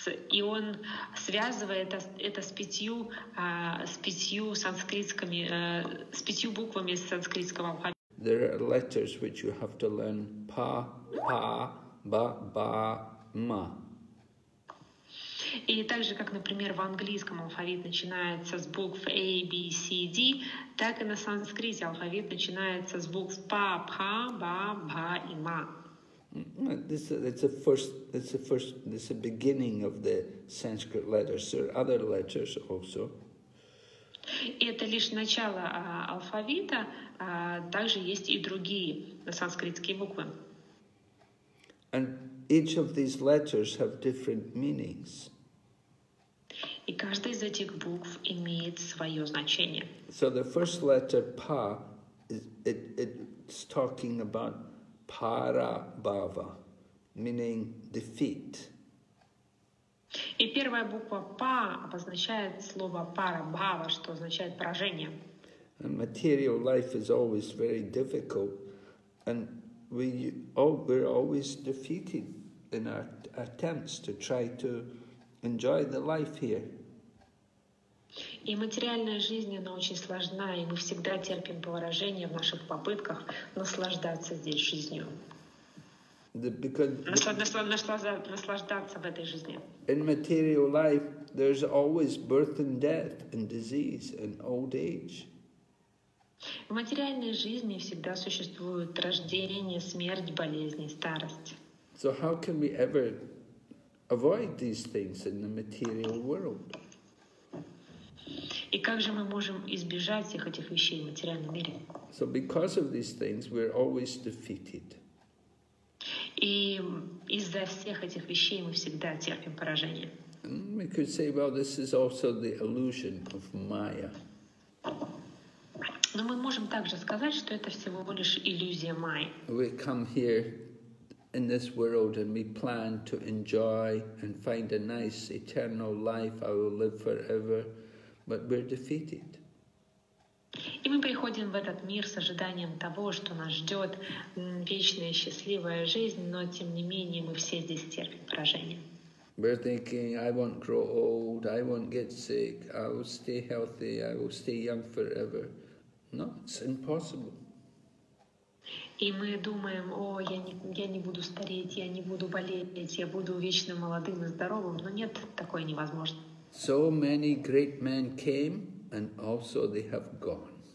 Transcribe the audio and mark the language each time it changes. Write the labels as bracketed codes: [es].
[ru] И он связывает это с пятью буквами из санскритского алфавита. [en] There are letters which you have to learn: pa, pa, ba, ba, ma. [ru] И также, как, например, в английском алфавит начинается с букв A, B, C, D, так и на санскрите алфавит начинается с букв pa, pa, ba, ba и ma. [en] This is the beginning of the Sanskrit letters. There are other letters also. [ru] Это лишь начало алфавита. Также есть и другие санскритские буквы. [en] And each of these letters have different meanings. [ru] И каждая из этих букв имеет свое значение. [en] So the first letter pa it's talking about Parabhava, meaning defeat. [ru] И первая буква па обозначает слово парабхава, что означает поражение. [en] And material life is always very difficult, and we're always defeated in our attempts to try to enjoy the life here. [ru] И материальная жизнь, она очень сложна, и мы всегда терпим поражение в наших попытках наслаждаться здесь жизнью. Наслаждаться в этой жизни. [en] In material life, there's always birth and death and disease and old age. [ru] В материальной жизни всегда существуют рождение, смерть, болезни, старость. [en] So how can we ever avoid these things in the material world? [ru] И как же мы можем избежать всех этих вещей в материальном мире? [en] So because of these things, we're always defeated. [ru] И из-за всех этих вещей мы всегда терпим поражение. [en] And we could say, well, this is also the illusion of Maya. [ru] Но мы можем также сказать, что это всего лишь иллюзия Майи. [en] We come here in this world and we plan to enjoy and find a nice eternal life. I will live forever. But we're defeated. [ru] И мы приходим в этот мир с ожиданием того, что нас ждет вечная счастливая жизнь, но тем не менее мы все здесь терпим поражение. [en] We're thinking, I won't grow old, I won't get sick, I will stay healthy, I will stay young forever. No, it's impossible. [ru] И мы думаем, о, я не буду стареть, я не буду болеть, я буду вечно молодым и здоровым, но нет, такое невозможно. [en] So many great men came, and also they have gone.